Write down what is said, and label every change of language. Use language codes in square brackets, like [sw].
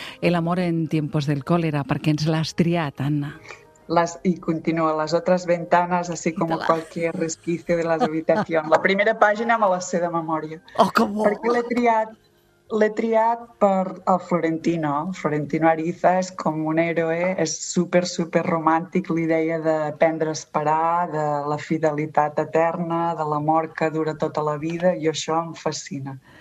[ca] El amor en tiempos del cólera, perquè ens l'has triat, Anna. I continua. Les altres ventanes, [es] así como cualquier resquicio de las habitaciones. [ca] La primera pàgina me la sé de memòria. Oh, que bo! Perquè l'he triat per el Florentino. Florentino Ariza és com un héroe, és super, super romàntic, l'idea d'aprendre a esperar, de la fidelitat eterna, de l'amor que dura tota la vida, i això em fascina.